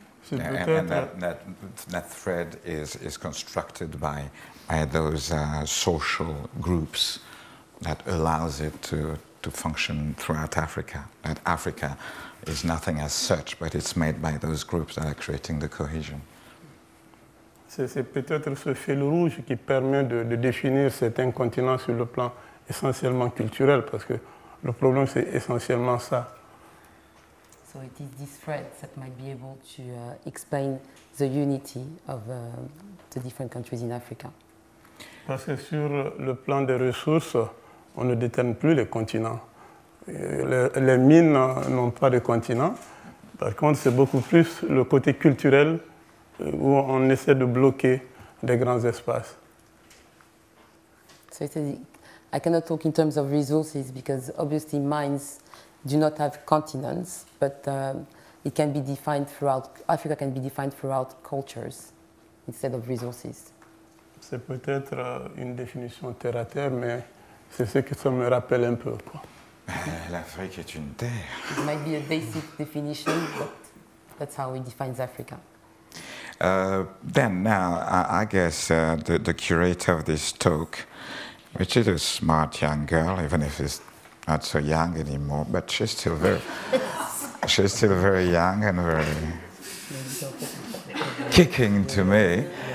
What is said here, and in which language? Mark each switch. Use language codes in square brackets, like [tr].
[en] And that thread is constructed by those social groups that allows it to function throughout Africa. That Africa is nothing as such, but it's made by those groups that are creating the cohesion. [fr] C'est peut-être ce fil rouge qui permet de définir certains continents sur le plan essentiellement culturel, parce que le problème, c'est essentiellement ça. [en] So it is this thread that might be able to explain the unity of the different countries in Africa. [fr] Parce que sur le plan des ressources, on ne détermine plus les continents. Les mines n'ont pas de continent. Par contre, c'est beaucoup plus le côté culturel où on essaie de bloquer les grands espaces. [en] So it is, I cannot talk in terms of resources because obviously mines do not have continents, but it can be defined throughout, Africa can be defined throughout cultures instead of resources. [fr] C'est peut-être une définition terre à terre, mais c'est ce que ça me rappelle un peu. L'Afrique est une terre. [en] It might be a basic definition, but that's how we define Africa. I guess the curator of this talk, which is a smart young girl, even if she's not so young anymore, but she's still very young and very kicking to me.